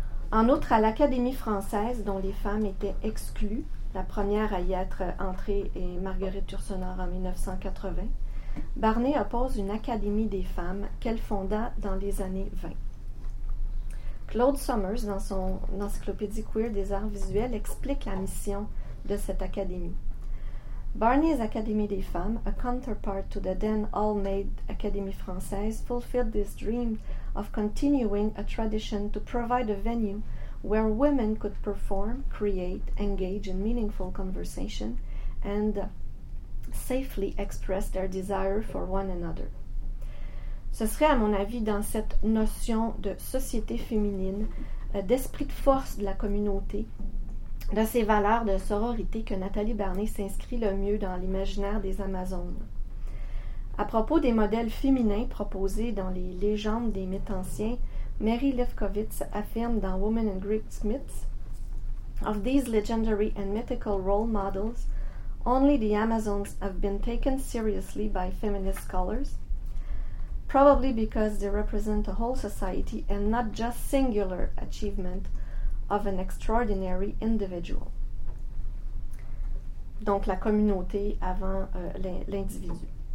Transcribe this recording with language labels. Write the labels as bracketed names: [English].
[French] En outre, à l'Académie française, dont les femmes étaient exclues, la première à y être entrée est Marguerite Yourcenar en 1980, Barney oppose une Académie des femmes qu'elle fonda dans les années 20. Claude Summers, dans son encyclopédie queer des arts visuels, explique la mission de cette académie. [English] Barney's Academy des femmes, a counterpart to the then all-maid Academy française, fulfilled this dream of continuing a tradition to provide a venue where women could perform, create, engage in meaningful conversation and safely express their desire for one another. [French] Ce serait, à mon avis, dans cette notion de société féminine, d'esprit de force de la communauté, de ces valeurs de sororité que Nathalie Barney s'inscrit le mieux dans l'imaginaire des Amazones. À propos des modèles féminins proposés dans les légendes des mythes anciens, Mary Lefkowitz affirme dans [English] Women and Greek Myths, « Of these legendary and mythical role models, only the Amazons have been taken seriously by feminist scholars, probably because they represent a whole society and not just singular achievement of an extraordinary individual. » [French] Donc, la communauté avant l'individu.